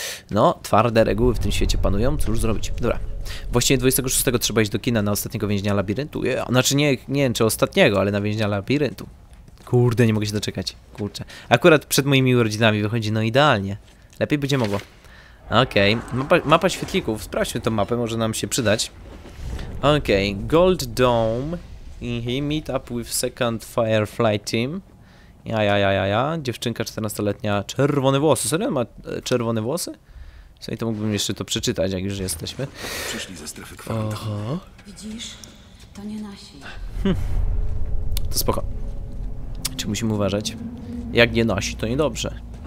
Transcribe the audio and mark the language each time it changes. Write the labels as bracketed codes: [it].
[pl] No, twarde reguły w tym świecie panują. Cóż zrobić? Dobra. Właśnie 26 trzeba iść do kina na ostatniego więźnia labiryntu. Znaczy nie wiem, czy ostatniego, ale na więźnia labiryntu. Kurde, nie mogę się doczekać. Kurczę. Akurat przed moimi urodzinami wychodzi, no idealnie. Lepiej będzie mogło. Okej. Mapa świetlików. Sprawdźmy tą mapę, może nam się przydać. Okej. Gold Dome. [en] He meet up with second Firefly team. [pl] Ja. Dziewczynka 14-letnia, czerwone włosy. Serio, ma czerwone włosy? W sumie to mógłbym jeszcze to przeczytać, jak już jesteśmy. Przyszli ze strefy kwarantanny. Widzisz? To nie nasi. To spoko. Czy musimy uważać? Jak nie nasi, to niedobrze.